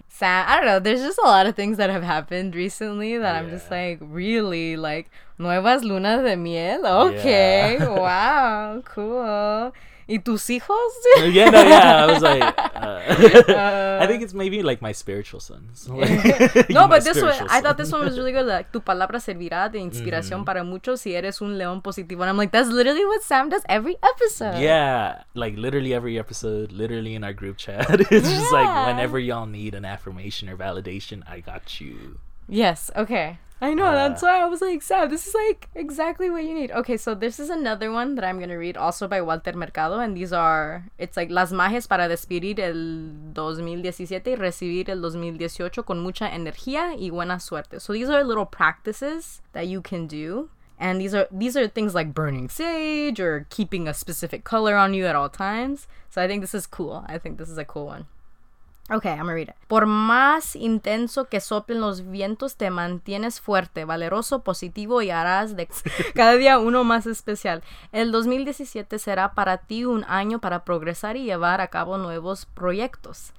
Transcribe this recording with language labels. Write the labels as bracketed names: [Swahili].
[English] Sam, I don't know, there's just a lot of things that have happened recently that yeah. I'm just like, really? Like, [Spanish] nuevas lunas de miel? [English] Okay, yeah. Wow, cool. [Spanish] ¿Y tus hijos? [English] Yeah, I was like, I think it's maybe like my spiritual sons. Like, no, but this one, son. I thought this one was really good. Like, [Spanish] tu palabra servirá de inspiración para muchos si eres un león positivo. [English] And I'm like, that's literally what Sam does every episode. Yeah, like literally every episode, literally in our group chat. It's yeah. just like, whenever y'all need an affirmation or validation, I got you. Yes, okay. I know, that's why I was like, Sam, this is like exactly what you need. Okay, so this is another one that I'm going to read also by Walter Mercado. And these are, it's like, [Spanish] Las Majes para despedir el 2017 y recibir el 2018 con mucha energía y buena suerte. [English] So these are little practices that you can do. And these are things like burning sage or keeping a specific color on you at all times. So I think this is cool. I think this is a cool one. Okay, I'm gonna read it. [Spanish] Por más intenso que soplen los vientos, te mantienes fuerte, valeroso, positivo y harás de cada día uno más especial. El 2017 será para ti un año para progresar y llevar a cabo nuevos proyectos.